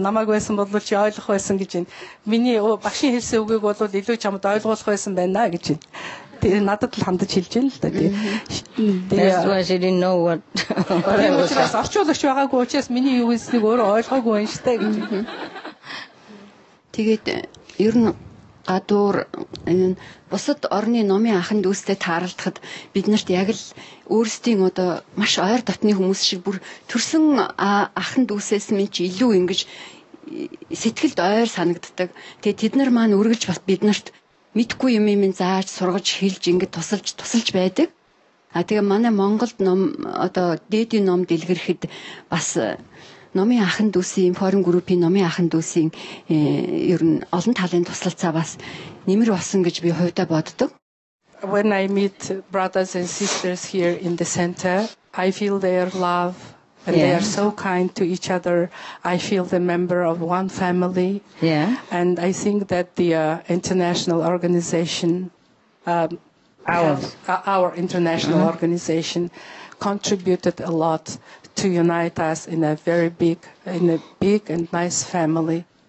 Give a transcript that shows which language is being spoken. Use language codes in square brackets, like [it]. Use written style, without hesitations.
[mn] Намайг байсан бол чи ойлгох байсан гэж юм. Миний багшийн хэлсэн үгийг бол илүү чамд ойлгуулах байсан байна гэж юм. [en] That's why she didn't know what I was [mn] орчуулагч байгаагүй учраас миний юу хэлснийг өөрөө ойлгоогүй байна шүү дээ. Тэгээд ер нь гадуур энэ бусад орны номын аханд үстэй тааралдахад бид нарт яг л өөрсдийн одоо маш ойр дотны хүмүүс шиг бүр төрсэн аханд үсээс минь ч илүү ингэж сэтгэлд ойр санагддаг. Тэгээд тэд нар маань үргэлж бас бид нарт мэдгүй юм юм зааж сургаж хэлж ингээд тусалж байдаг. А тэгээ манай Монголд ном одоо дээдийн ном дэлгэрэхэд бас номын ахын дүүсийн форум группийн номын ахын дүүсийн ер нь олон талын туслалцаа бас нэмэр болсон гэж би хувьдаа боддог. [en] When I meet brothers and sisters here in the center, I feel their love. And they are so kind to each other. I feel the member of one family. Yeah. And I think that the international organization, our international organization, contributed a lot to unite us in a big and nice family.